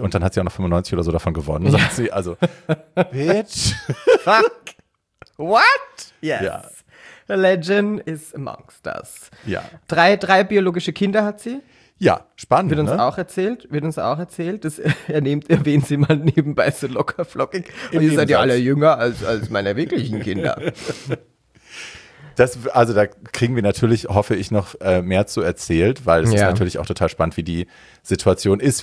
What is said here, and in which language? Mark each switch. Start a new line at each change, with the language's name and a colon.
German: Und dann hat sie auch noch 95 oder so davon gewonnen, sagt sie. Also, bitch.
English: Fuck. What? Yes. Ja. The legend is amongst us.
German: Ja. Drei biologische Kinder hat sie. Ja, spannend. Wird uns auch erzählt. Das erwähnt sie mal nebenbei so locker flockig. Und ihr seid ja alle jünger als meine wirklichen Kinder. Also da kriegen wir natürlich, hoffe ich, noch mehr zu erzählt, weil es ist natürlich auch total spannend, wie die Situation ist.